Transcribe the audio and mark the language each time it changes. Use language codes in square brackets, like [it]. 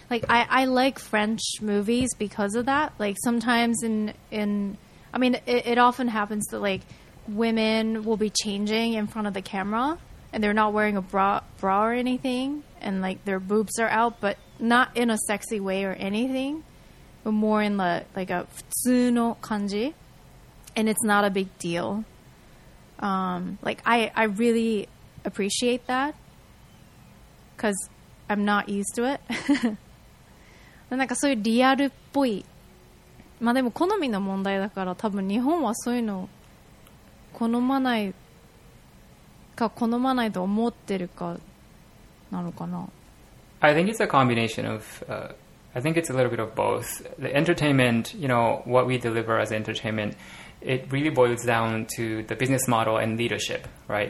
[en] Like I like French movies because of that. Like sometimes in I mean, it often happens that, like, women will be changing in front of the camera, and they're not wearing a bra or anything, and, like, their boobs are out, but not in a sexy way or anything, but more in, like, a [ja] 普通の kanji, [en] and it's not a big deal. Like, I really appreciate that, because I'm not used to it. [ja] なんかそういうリアルっぽい まあでも好みの問題だから多分日本はそういうの好まないか好まないと思ってるかなのかな。 [en] I think it's a combination of, I think it's a little bit of both. The entertainment, you know, what we deliver as entertainment, it really boils down to the business model and leadership, right?